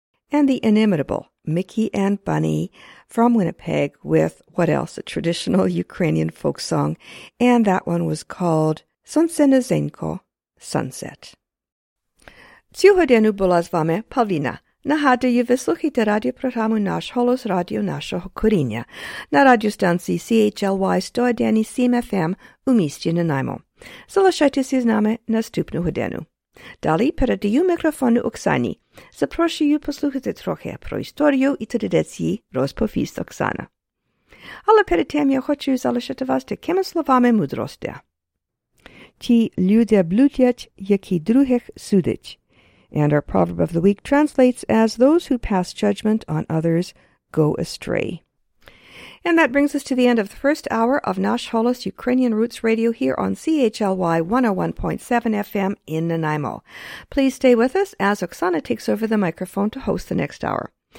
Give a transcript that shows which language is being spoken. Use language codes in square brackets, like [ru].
[en] And the inimitable Mickey and Bunny from Winnipeg with, what else, a traditional Ukrainian folk song. And that one was called Sonce Nezenko, Sunset. [uk] Сьогодні була з вами Павліна. Нагадую, ви слухаєте радіопрограму «Наш голос» радіо нашого коріння на радіостанції CHLY 101.7 FM у місті Нанаймо. Залишайтеся з нами наступну годину. Далі передаю мікрофон Оксані. Запрошую послухати трохи про історію і традиції, розповість Оксана. Але перед тим я хочу залишити вас такими словами мудрості. Ті люди блудять, які других судять. [en] And our proverb of the week translates as, those who pass judgment on others go astray. And that brings us to the end of the first hour of Nash Holos Ukrainian Roots Radio here on CHLY 101.7 FM in Nanaimo. Please stay with us as Oksana takes over the microphone to host the next hour.